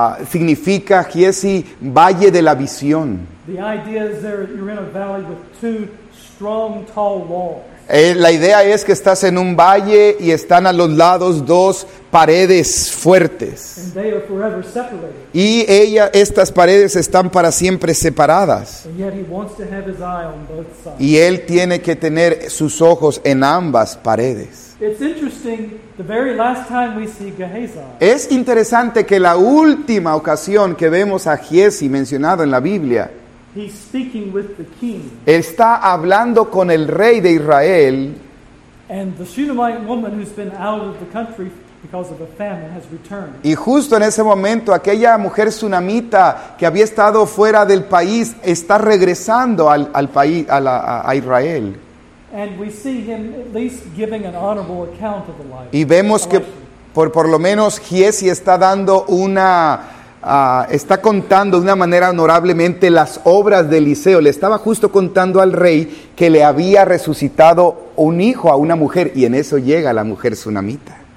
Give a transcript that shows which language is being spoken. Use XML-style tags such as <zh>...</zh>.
<es>Significa Giesi, valle de la visión.</es> <en>The idea is there you're in a valley with two strong, tall walls.</en> <es>La idea es que estás en un valle y están a los lados dos paredes fuertes.</es> <en>And they are forever separated.</en> <es>Y estas paredes están para siempre separadas.</es> <en>And yet he wants to have his eye on both sides.</en> <es>Y él tiene que tener sus ojos en ambas paredes.</es> <en>It's interesting, the very last time we see Gehazi,</en> <es>es interesante que la última ocasión que vemos a Giesi mencionado en la Biblia,</es> <en>he's speaking with the king.</en> <es>Está hablando con el rey de Israel.</es> <en>And the Shunammite woman who's been out of the country because of a famine has returned.</en> <es>Y justo en ese momento, aquella mujer sunamita que había estado fuera del país está regresando al país, a Israel.</es> <en>And we see him at least giving an honorable account of the life.</en> <es>Y vemos que por lo menos Giesi está dando una está contando de una manera honorablemente las obras de Eliseo. Le estaba justo contando al rey que le había resucitado un hijo a una mujer, y en eso llega la mujer sunamita.</es>